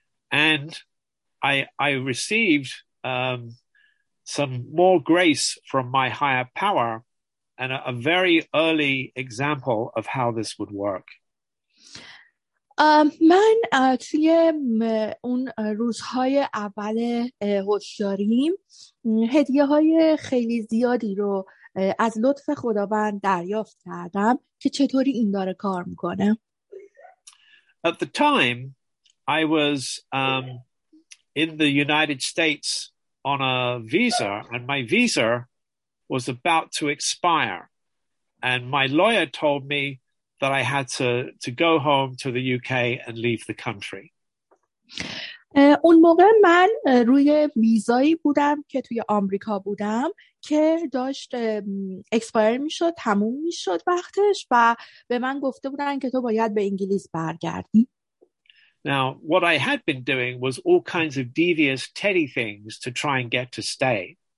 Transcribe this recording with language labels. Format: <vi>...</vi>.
<en>And I received some more grace from my higher power and a very early example of how this would work.</en> <fa>من توی اون روزهای اول هوشیاریم هدیه های خیلی زیادی رو از لطف خداوند دریافت کردم که چطوری این داره کار میکنه.</fa> <en>At the time I was in the United States on a visa and my visa was about to expire and my lawyer told me that I had to go home to the UK and leave the country.</en> <fa>اون موقع من روی ویزایی بودم که توی آمریکا بودم که داشت اکسپایر میشد، تموم میشد وقتش و به من گفته بودن که تو باید به انگلیس برگردی.</fa> <en>Now, what I had been doing was all kinds of devious Teddy things to try and get to stay.</en>